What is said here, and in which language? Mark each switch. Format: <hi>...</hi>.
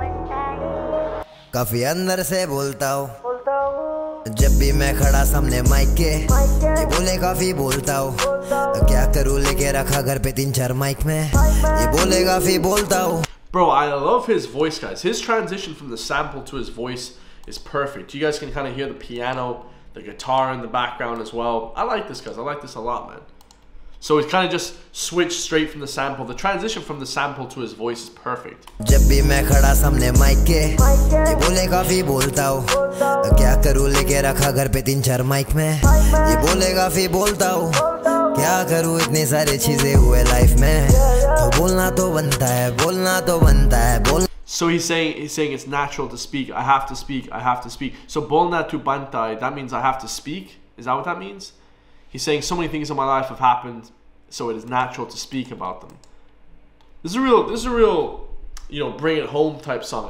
<hi>काफी अंदर से बोलता हूँ जब भी मैं खड़ा सामने माइक के ये बोले काफी बोलता हूँ क्या करूँ लेके रखा घर पे तीन चार माइक में ये बोले काफी बोलता हूँ.</hi> <en>Bro, I love his voice, guys. His transition from the sample to his voice is perfect. You guys can kind of hear the piano, the guitar in the background as well. I like this, guys. I like this a lot, man. So he's kind of just switched straight from the sample. The transition from the sample to his voice is perfect.</en> <hi>जब भी मैं खड़ा सामने mic के ये बोले काफी बोलता हूँ क्या करूँ लेके रखा घर पे तीन चार माइक में ये बोले काफी बोलता हूँ क्या करूँ इतनी सारी चीजें हुए लाइफ में तो बोलना तो बनता है बोलना तो बनता है.</hi> <en>So he's saying it's natural to speak. I have to speak. I have to speak. So</en> <hi>Bolna to Bantai,</hi> <en>that means I have to speak. Is that what that means? He's saying so many things in my life have happened, so it is natural to speak about them. This is a real, you know, bring it home type song.</en>